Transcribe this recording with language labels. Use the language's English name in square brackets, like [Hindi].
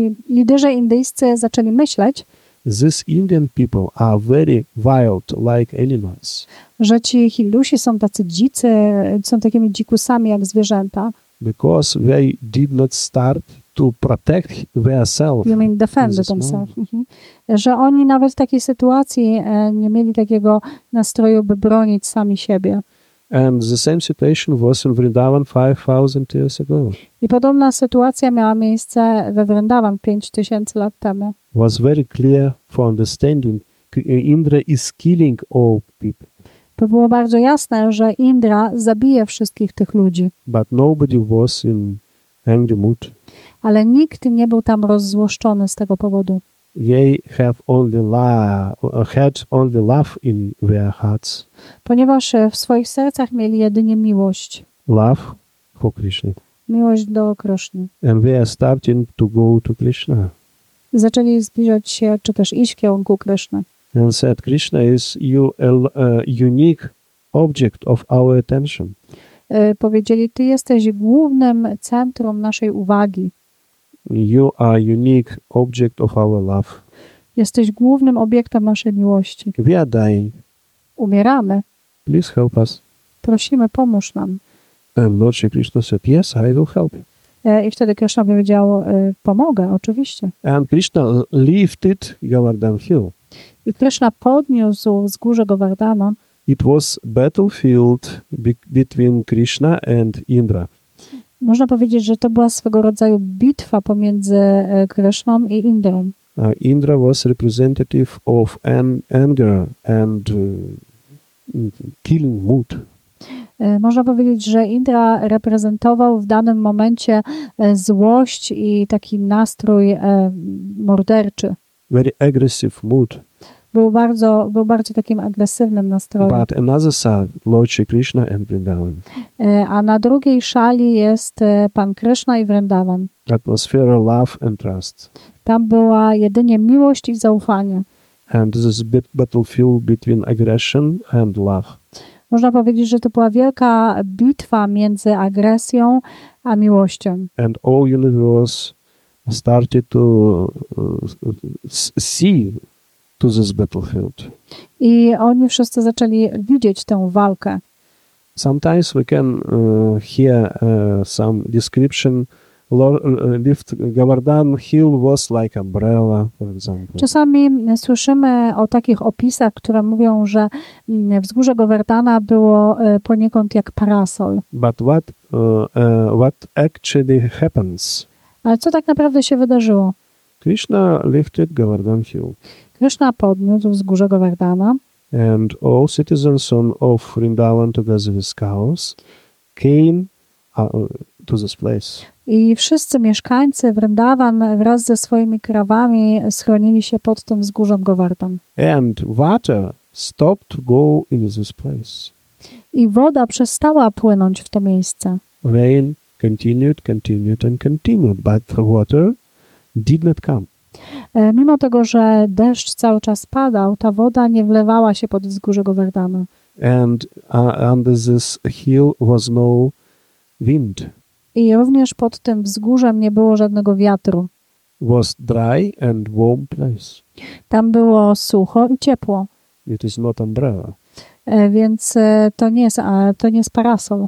[Polish] Liderzy indyjscy zaczęli myśleć. [English] These Indian people are very wild, like animals. [Polish] Że ci Hindusi są tacy dzicy, są takimi dzikusami jak zwierzęta. [English] Because they did not start to protect themselves. You mean defend themselves. [Polish] Że oni nawet w takiej sytuacji nie mieli takiego nastroju, by bronić sami siebie. [English] And the same situation was in Vrindavan 5,000 years ago. [Polish] I podobna sytuacja miała miejsce we Vrindavan 5,000 lat temu. [English] Was very clear for understanding. Indra is killing all people. [Polish] To było bardzo jasne, że Indra zabije wszystkich tych ludzi. [English] But nobody was in angry mood. [Polish] Ale nikt nie był tam rozzłoszczony z tego powodu. [English] They have only had only love in their hearts. [Polish] Ponieważ w swoich sercach mieli jedynie miłość. [English] Love for Krishna. [Polish] Miłość do Krishna. [English] And they are starting to go to Krishna. [Polish] Zaczęli zbliżać się, czy też iść w kierunku Krishna. [English] And said, Krishna is a unique object of our attention. [Polish] Powiedzieli, ty jesteś głównym centrum naszej uwagi. [English] You are unique object of our love. [Polish] Jesteś głównym obiektem naszej miłości. [English] We are dying. [Polish] Umieramy. [English] Please help us. [Polish] Prosimy, pomóż nam. [English] And Lord Shri Krishna said, yes, I will help you. [Polish] I wtedy Krishna powiedział, pomogę, oczywiście. [English] And Krishna lifted Govardhan Hill. [Polish] I Krishna podniósł z góry Govardhana. [English] It was battlefield between Krishna and Indra. [Polish] Można powiedzieć, że to była swego rodzaju bitwa pomiędzy Krishną i Indrą. [English] Indra was representative of anger and killing mood. [Polish] Można powiedzieć, że Indra reprezentował w danym momencie złość i taki nastrój morderczy. [English] Very aggressive mood. [Polish] Był bardzo takim agresywnym nastrojem. [English] But another side, Lord Shri Krishna and Vrindavan. [Polish] A na drugiej szali jest Pan Krishna i Vrindavan. [English] Atmosphere of love and trust. [Polish] Tam była jedynie miłość i zaufanie. [English] And this is battlefield between aggression and love. [Polish] Można powiedzieć, że to była wielka bitwa między agresją a miłością. [English] And all universe started to see to this battlefield. [Polish] I oni wszyscy zaczęli widzieć tę walkę. [English] Sometimes we can hear some description. Lift Govardhan Hill was like umbrella, for example. [Polish] Czasami słyszymy o takich opisach, które mówią, że wzgórze Govardhana było poniekąd jak parasol. [English] But what actually happens? [Polish] Ale co tak naprawdę się wydarzyło? [English] Krishna lifted Govardhan Hill. [Polish] Krishna podniósł wzgórze Govardhana. [English] And all citizens of Vrindavan together with cows came to this place. [Polish] I wszyscy mieszkańcy Vrindavan wraz ze swoimi krawami schronili się pod tym wzgórzem Govardhan. [English] And water stopped to go in this place. [Polish] I woda przestała płynąć w to miejsce. [English] Rain continued, but the water did not come. [Polish] Mimo tego, że deszcz cały czas padał, ta woda nie wlewała się pod wzgórze Govardhana. [English] And under this hill was no wind. [Polish] I również pod tym wzgórzem nie było żadnego wiatru. [English] Was dry and warm place. [Polish] Tam było sucho i ciepło. [English] It is not umbrella. [Polish] Więc to nie jest parasol.